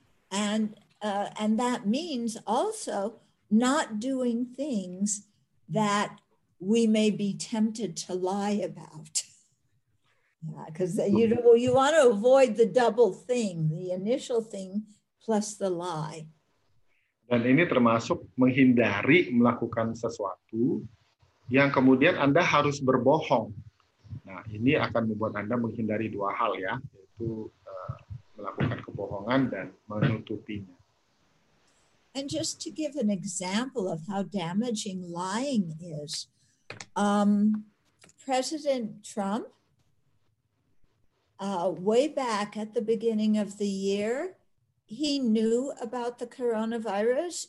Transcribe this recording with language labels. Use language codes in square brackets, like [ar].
[en] And that means also not doing things that we may be tempted to lie about. Yeah, because you want to avoid the double thing, the initial thing plus the lie. [id] Dan ini termasuk menghindari melakukan sesuatu yang kemudian Anda harus berbohong. Nah, ini akan membuat Anda menghindari dua hal ya, yaitu melakukan kebohongan dan menutupinya. [en] And just to give an example of how damaging lying is, President Trump, way back at the beginning of the year, he knew about the coronavirus.